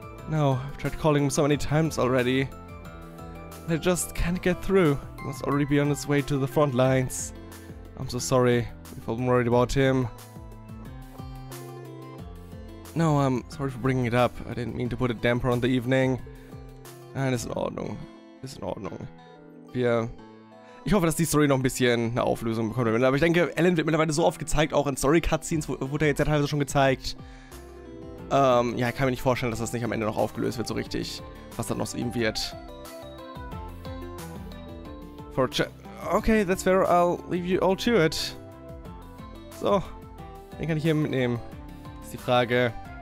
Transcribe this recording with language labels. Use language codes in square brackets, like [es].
[en] No, I've tried calling him so many times already. They just can't get through. He must already be on his way to the front lines. I'm so sorry. We've all been worried about him. No, I'm sorry for bringing it up. I didn't mean to put a damper on the evening. [de] Nein, ist in Ordnung. Ist in Ordnung. Ich hoffe, dass die Story noch ein bisschen eine Auflösung bekommt. Aber ich denke, Ellen wird mittlerweile so oft gezeigt, auch in Story-Cutscenes wurde er jetzt ja teilweise schon gezeigt. Ja, ich kann mir nicht vorstellen, dass das nicht am Ende noch aufgelöst wird so richtig, was dann noch zu ihm wird. [en] Okay, that's fair, I'll leave you all to it. [de] So, den kann ich hier mitnehmen, ist die Frage.